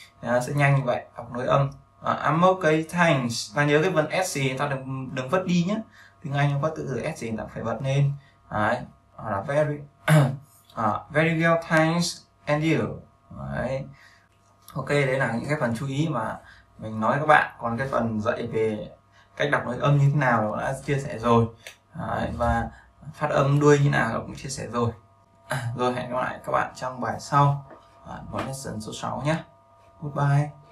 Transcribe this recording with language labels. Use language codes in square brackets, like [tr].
[vi] Đó, sẽ nhanh như vậy, đọc nối âm. [en] I'm okay, thanks. [vi] Ta nhớ cái vần S gì, ta đừng vứt đi nhé. Tiếng Anh không có từ S gì, ta phải bật lên. Đấy, hoặc là [en] very very well, thanks, and you. [vi] Đấy. Ok, đấy là những cái phần chú ý mà mình nói với các bạn. Còn cái phần dạy về cách đọc nối âm như thế nào đã chia sẻ rồi. Đấy. Và phát âm đuôi như nào cũng chia sẻ rồi. Rồi, hẹn gặp lại các bạn trong bài sau. Một lesson số 6 nhé. Goodbye.